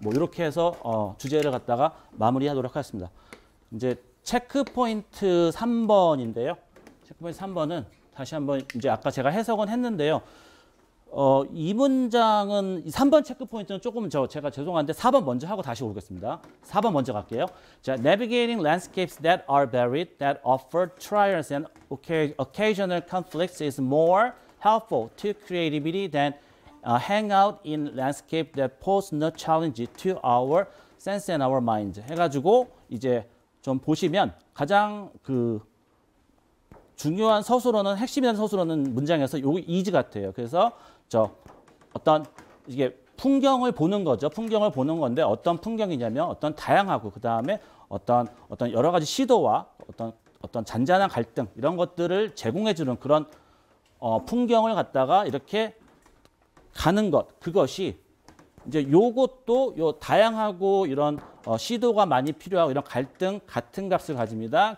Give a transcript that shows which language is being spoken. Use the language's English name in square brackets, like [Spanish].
[Korean] 뭐 이렇게 해서 주제를 갖다가 마무리하도록 하겠습니다. 이제 체크포인트 3번인데요. 체크포인트 3번은 다시 한번 이제 아까 제가 해석은 했는데요. 이 문장은 3번 체크포인트는 조금 제가 죄송한데 4번 먼저 하고 다시 오겠습니다. 4번 먼저 갈게요. 자, [English] navigating landscapes that are varied, that offer trials and occasional conflicts is more helpful to creativity than hang out in landscape that pose no challenge to our sense and our mind. [Korean] 해가지고 이제 좀 보시면 가장 그 중요한 서술어는 핵심이라는 서술어는 문장에서 요 이즈 같아요. 그래서 저 어떤 이게 풍경을 보는 거죠. 풍경을 보는 건데 어떤 풍경이냐면 어떤 다양하고 그 다음에 어떤 여러 가지 시도와 어떤 잔잔한 갈등 이런 것들을 제공해 주는 그런 풍경을 갖다가 이렇게 가는 것 그것이 이제 요것도 요 다양하고 이런 시도가 많이 필요하고 이런 갈등 같은 값을 가집니다.